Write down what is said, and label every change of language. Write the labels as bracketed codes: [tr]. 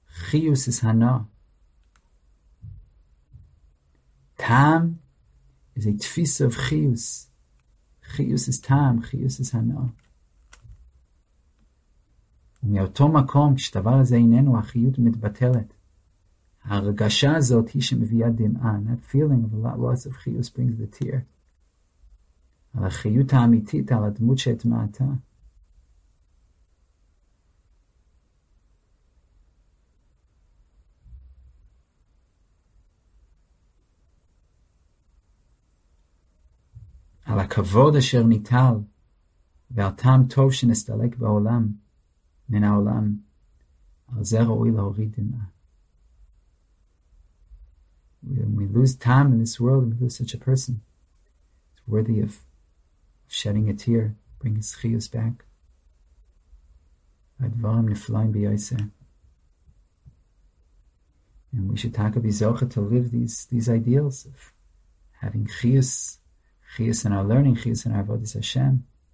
[en] Chiyus is hana. Tam is a tfis of chiyus. Chiyus is tam, chiyus is hana. [he] מאותו מקום, כשדבר הזה איננו, החיות מתבטלת. הרגשה הזאת היא שמביאה דמעה, [en] not feeling, but a loss of chius brings the tear. [he] על החיות האמיתית, על הדמות שהתמעתה. על הכבוד אשר ניטל, ועל טעם טוב שנסתלק בעולם, מן העולם, על זה ראוי להוריד דמעה. [en] When we lose time in this world, we lose such a person. It's worthy of shedding a tear, bring his chiyus back. [he] Advarim neflaim b'yoseh. [en] And we should talk of Yizocha to live these ideals of having chiyus, chiyus in our learning, chiyus in our avodas Hashem.